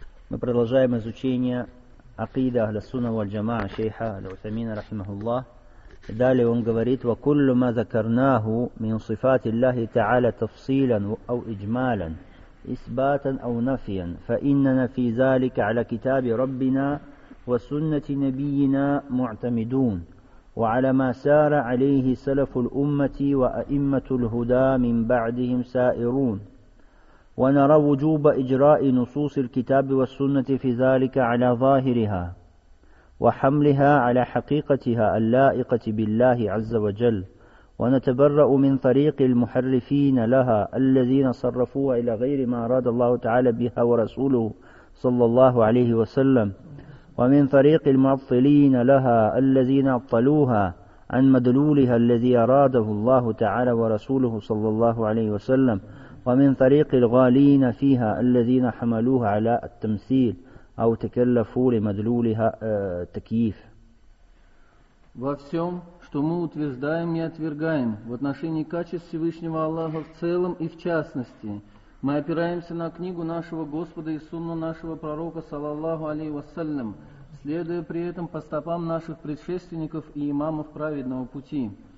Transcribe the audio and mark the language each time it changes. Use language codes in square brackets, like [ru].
[ru] Мы продолжаем изучение акида Ахля Сунна валь Джамаа шейха аль-Усамина рахимахуллах. Далее он говорит: [ar] ва куллю ма закарнаху мин сифати Аллахи тааля тафсилан ау иджмалан исбатан ау нафиан фа иннана фи залика аля китаби раббина ва суннати набиина муътамидун. وعلى ما سار عليه سلف الأمة وأئمة الهدى من بعدهم سائرون ونرى وجوب إجراء نصوص الكتاب والسنة في ذلك على ظاهرها وحملها على حقيقتها اللائقة بالله عز وجل ونتبرأ من طريق المحرفين لها الذين صرفوها إلى غير ما أراد الله تعالى بها ورسوله صلى الله عليه وسلم ومن طريق المعطلين لها الذين عطلوها عن مدلولها الذي أراده الله تعالى ورسوله صلى الله عليه وسلم ومن طريق الغالين فيها الذين حملوها على التمثيل أو تكلفوا لمدلولها تكييف. [ru] Во всем, что мы утверждаем и отвергаем в отношении качеств Всевышнего Аллаха в целом и в частности, мы опираемся на книгу нашего Господа и сунну нашего пророка, саллаллаху алейхи вассалям, следуя при этом по стопам наших предшественников и имамов праведного пути.